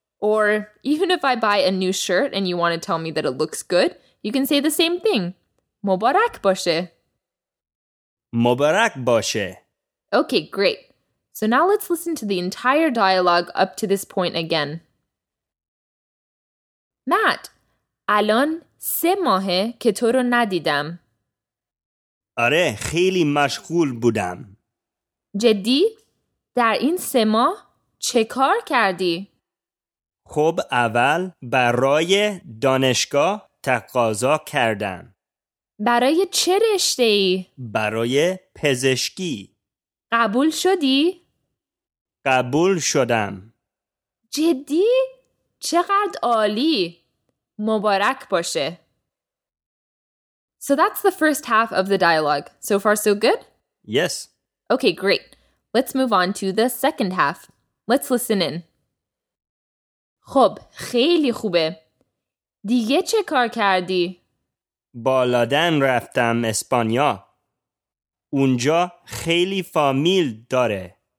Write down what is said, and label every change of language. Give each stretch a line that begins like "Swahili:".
English: Or even if I buy a new shirt and you want to tell me that it looks good, you can say the same thing.
Persian: مبارك باشه. مبارك باشه.
English: Okay, great. So now let's listen to the entire dialogue up to this point again.
Persian: Matt, الان سه ماهه که تو رو ندیدم. آره، خیلی مشغول بودم. جدی؟ در این سه ماه چه کار کردی؟ خب اول برای دانشگاه تقاضا کردم. برای چه رشته ای؟ برای پزشکی. قبول شدی؟ قبول شدم. جدی؟ چقدر عالی؟ مبارک باشه.
English: So that's the first half of the dialogue. So far, so good? Yes. Okay, great. Let's move on to the second half. Let's listen in.
Persian: خب، خیلی خوبه. دیگه چه کار کردی؟ بالادن رفتم اسپانیا. اونجا خیلی فامیل داره.